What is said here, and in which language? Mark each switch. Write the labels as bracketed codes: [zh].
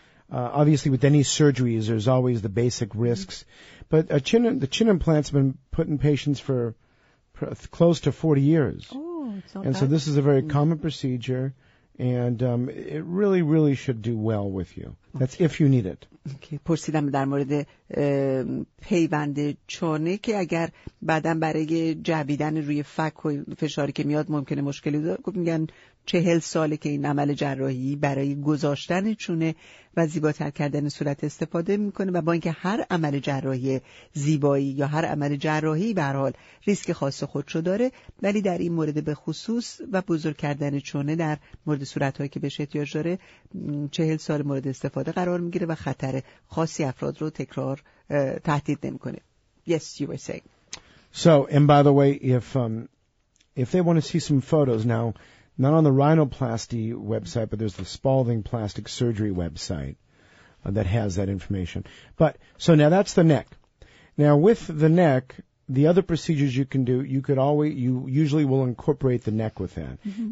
[en] Obviously, with any surgeries, there's always the basic risks. Mm-hmm. But the chin implants have been put in patients for close to 40 years. Oh. And so this is a very common procedure, and it really, really should do well with you. That's if you need it. Okay. [fa] پرسیدم در مورد پیوند چانه که اگر بعدن برای جویدن روی فک و فشاری که میاد ممکنه مشکلی داره. گفت میگن 40 ساله که این عمل جراحی برای گذاشتن چونه و زیباتر کردن صورت استفاده میکنه و با اینکه هر عمل جراحی زیبایی یا هر عمل جراحی به هر حال ریسک خاص خودشو داره، ولی در این مورد به خصوص و بزرگ کردن چونه در مورد صورتهایی که بهش احتیاج داره 40 سال مورد استفاده قرار میگیره و خطر خاصی افراد رو تکرار تهدید نمیکنه. [en] Yes, you were saying. So, and by the way, if they want to see some photos now, not on the rhinoplasty website, but there's the Spalding Plastic Surgery website that has that information. But so now that's the neck. Now with the neck, the other procedures you can do, you usually will incorporate the neck with that. Mm-hmm.